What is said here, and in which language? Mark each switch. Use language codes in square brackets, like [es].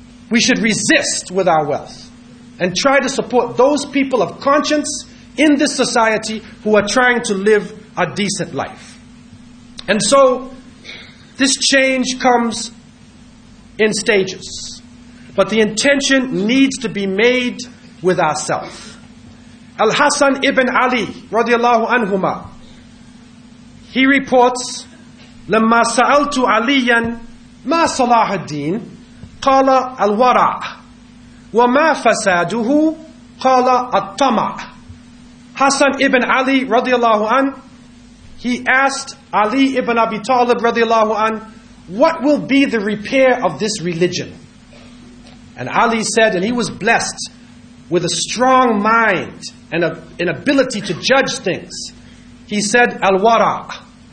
[en] We should resist with our wealth and try to support those people of conscience in this society who are trying to live a decent life. And so this change comes in stages. But the intention needs to be made with ourselves. Al-Hasan ibn Ali, radiallahu anhumah, he reports, [ar] لَمَّا سَأَلْتُ عَلِيًّا مَا صَلَاحَ الدِّينِ قَالَ الْوَرَعَ وَمَا فَسَادُهُ قَالَ الطَّمَعَ. [en] Hasan ibn Ali, radiallahu anh, he asked Ali ibn Abi Talib, radiallahu anh, what will be the repair of this religion? And Ali said, and he was blessed with a strong mind and an ability to judge things. He said, al-wara'.